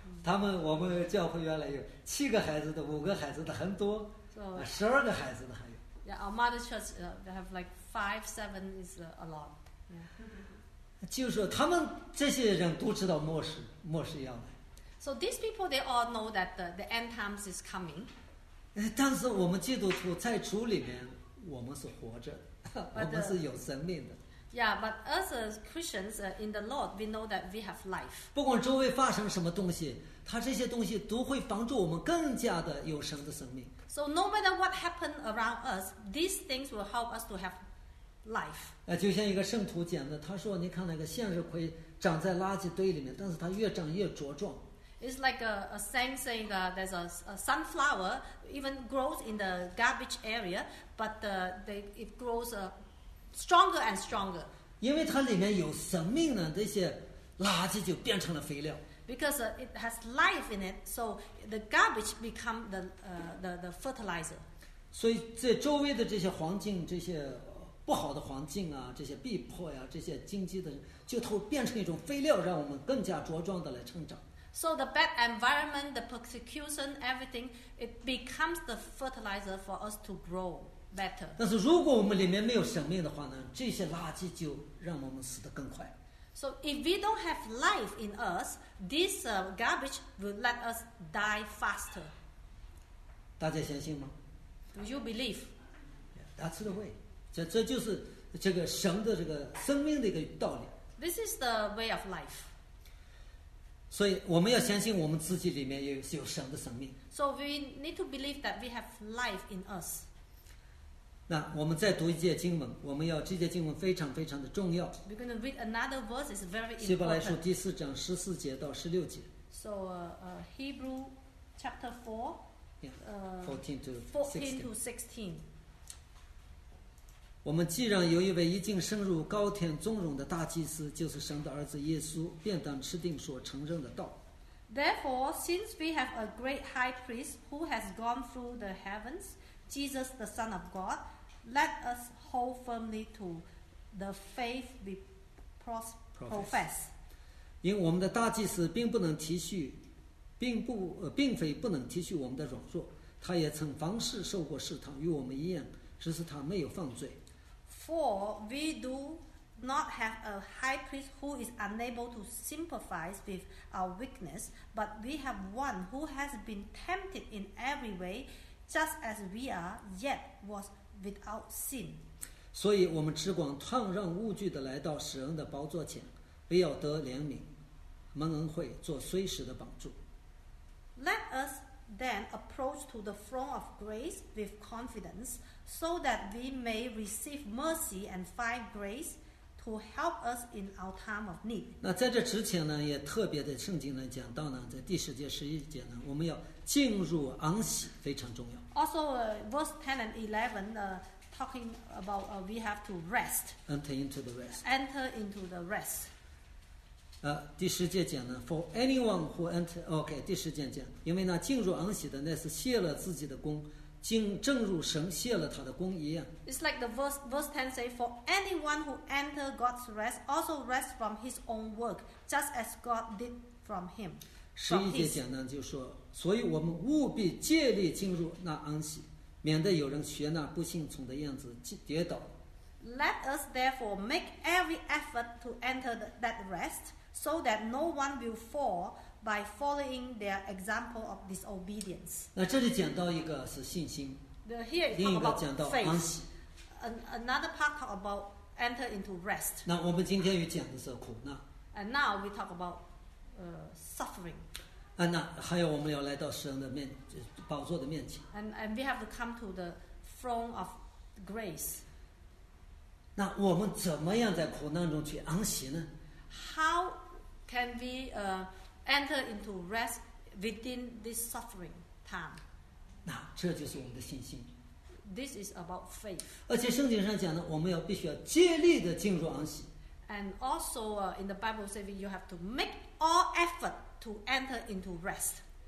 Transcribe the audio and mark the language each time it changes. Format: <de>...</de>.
<zh>他们我们教会原来有七个孩子的五个孩子的很多</zh> <en>so,</en> <zh>十二个孩子的还有</zh> <en>yeah, our mother church they have like 5-7 is a lot、yeah.</en> <zh>就是他们这些人都知道末世末世要来</zh> <en>so these people they all know that the end times is coming</en> <zh>但是我们基督徒在主里面我们是活着</zh> <en>but,</en> <zh>我们是有生命的</zh> <en>Yeah, but us as Christians, in the Lord, we know that we have life.</en> <zh>不管周围发生什么东西，它这些东西都会帮助我们更加的有神的生命。</zh> <en>So no matter what happened around us, these things will help us to have life.</en> <zh>就像一个圣徒讲的，他说：“你看那个向日葵长在垃圾堆里面，但是它越长越茁壮。”</zh> <en>It's like a saying saying that there's a sunflower even grows in the garbage area, but it grows a Stronger and stronger.</en> <zh>因为它里面有生命呢，这些垃圾就变成了肥料。</zh> <en>Because it has life in it, so the garbage become the fertilizer.</en> <zh>所以在周围的这些环境，这些不好的环境啊，这些逼迫呀，这些荆棘的，就它会变成一种肥料，让我们更加茁壮的来成长。</zh> <en>So the bad environment, the persecution, everything, it becomes the fertilizer for us to grow. Better.</en> <zh>但是如果我们里面没有生命的话呢，这些垃圾就让我们死得更快。</zh> <en>So if we don't have life in us, this garbage will let us die faster.</en> <zh>大家相信吗</zh> <en>？Do you believe? Yeah, that's the way.</en> <zh>这就是这个神的这个生命的一个道理。</zh> <en>This is the way of life.</en> <zh>所以我们要相信我们自己里面有神的生命。</zh> <en>So we need to believe that we have life in us.</en> <zh>那我们再读一节经文，我们要这节经文非常非常的重要。</zh> <en>We're going to read another verse. It's very important.</en> <zh>希伯来书第四章十四节到十六节。</zh> <en>So, Hebrew chapter four, fourteen to sixteen.</en> <zh>我们既然有一位已经升入高天尊荣的大祭司，就是神的儿子耶稣，便当持定所承认的道。</zh> <en>Therefore, since we have a great high priest who has gone through the heavens. Jesus, the Son of God, let us hold firmly to the faith we profess.</en> <zh>因为我们的大祭司并不能体恤，并非不能体恤我们的软弱，他也曾凡事受过试探，与我们一样，只是他没有犯罪。</zh> <en>For we do not have a high priest who is unable to sympathize with our weakness, but we have one who has been tempted in every way. Just as we are, yet was without sin.</en> <zh>所以我们只管坦然无惧地来到使人的宝座前，为要得怜悯，蒙恩惠，做随时的帮助。</zh> <en>Let us then approach to the throne of grace with confidence, so that we may receive mercy and find grace to help us in our time of need.</en> <zh>那在这之前呢，也特别在圣经呢讲到呢，在第十节、十一节呢，我们要。进入安息非常重要。</zh> <en>Also, verse 10 and 11, talking about we have to rest. Enter into the rest. Enter into the rest.</en> <zh>第十节讲呢 ，</zh> <en>For anyone who enter, okay,</en> <zh>第十节讲，因为那进入安息的那是卸了自己的功，正如神卸了他的功一样。</zh> <en>It's like the verse 10 say, For anyone who enter God's rest also rests from his own work, just as God did from him.</en> <zh>十一节讲呢，就说。所以我们务必借力进入那安息，免得有人学那不信从的样子跌倒。</zh> <en>Let us therefore make every effort to enter that rest, so that no one will fall by following their example of disobedience.</en> <zh>那这里讲到一个是信心，</zh> <en>here</en> <zh>另一个讲到安息。</zh> <en>Another part talk about enter into rest.</en> <zh>那我们今天又讲的是苦难。</zh> <en>And now we talk about suffering.</en> <zh>那还有我们要来到神的面宝座的面前</zh> <en>and we have to come to the throne of grace</en> <zh>那我们怎么样在苦难中去安息呢</zh> <en>how can we enter into rest within this suffering time.</en> <zh>那这就是我们的信心。</zh> <en>This is about faith.</en> <zh>而且圣经上讲呢，我们要必须要竭力的进入安息。</zh> <en>And also, in the Bible, saying you have to make all effort to enter into rest.</en>